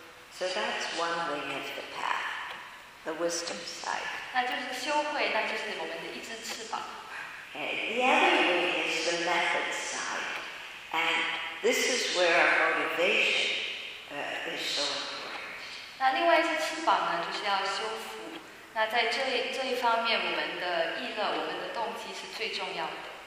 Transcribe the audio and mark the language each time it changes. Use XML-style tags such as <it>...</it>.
<en>So that's one wing of the path, the wisdom side.</en> <zh>那就是修慧，那就是我们的一只翅膀。</zh> <en>The other wing is the method side, and this is where our motivation is so important.</en> <zh>那另外一只翅膀呢，就是要修福。那在这一方面，我们的意乐，我们的动机是最重要的。</zh>